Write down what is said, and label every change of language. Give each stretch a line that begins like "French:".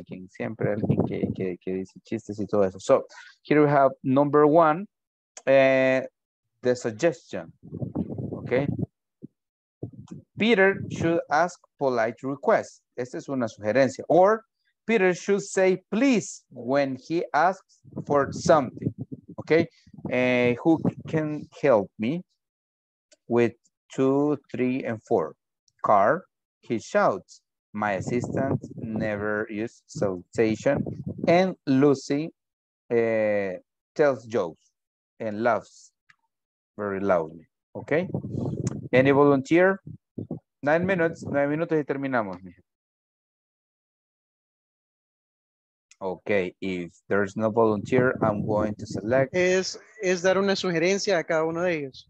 Spanish: Siempre hay alguien que dice chistes y todo eso.
English: So, here we have number one, the suggestion, okay. Peter should ask polite requests.
Spanish: Esta es una sugerencia.
English: Or Peter should say please when he asks for something. Okay. Who can help me with 2, 3, and 4? Carl, he shouts. My assistant never uses salutation. And Lucy tells jokes and laughs very loudly. Okay. Any volunteer?
Spanish: 9 minutes y terminamos.
English: Okay, if there's no volunteer, I'm going to select.
Spanish: Es dar una sugerencia a cada uno de ellos.